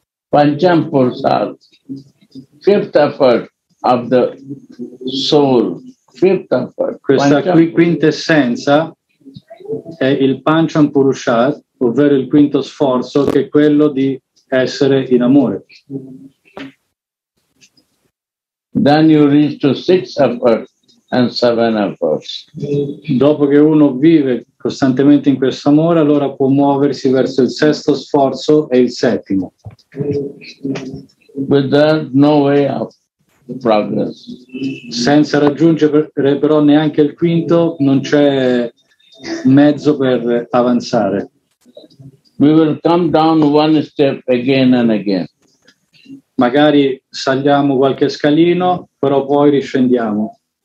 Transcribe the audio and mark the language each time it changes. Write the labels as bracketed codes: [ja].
[en] Pancham Pursal. Fifth effort of the soul. Fifth effort. [it] Questa quintessenza è il Pancham Purushad, ovvero il quinto sforzo, che è quello di essere in amore. [en] Then you reach to six efforts and seven efforts. [it] Dopo che uno vive costantemente in questo amore, allora può muoversi verso il sesto sforzo e il settimo. [en] But there's no way of progress. [it] Senza raggiungere però neanche il quinto, non c'è mezzo per avanzare. [en] We will come down one step again and again. [it] Magari saliamo qualche scalino, però poi riscendiamo.